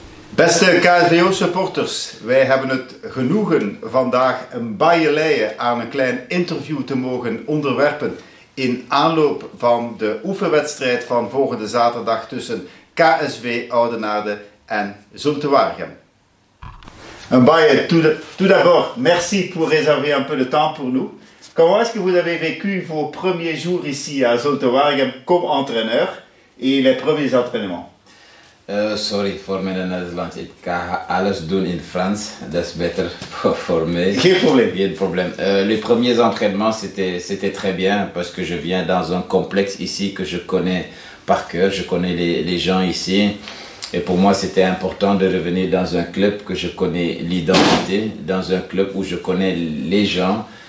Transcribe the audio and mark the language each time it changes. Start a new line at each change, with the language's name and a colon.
Dutch: Beste KVO-supporters, wij hebben het genoegen vandaag een baaierleien aan een klein interview te mogen onderwerpen in aanloop van de oefenwedstrijd van volgende zaterdag tussen KSV Oudenaarde en Zultewaregem.
French: Un baaier, tout d'abord, merci pour réserver un peu de temps pour nous. Comment est-ce que vous avez vécu vos premiers jours ici à Zultewaregem comme entraîneur et les premiers entraînements?
Dutch: Sorry voor mijn Nederlands. Ik ga alles doen in Frans. Dat is beter voor mij. Geen probleem. Geen probleem.
French: Les premiers entraînements, c'était très bien parce que je viens dans un complexe ici que je connais par cœur. Je connais les gens ici. Et pour moi, c'était important de revenir dans un club que je connais l'identité, dans un club où je connais les gens.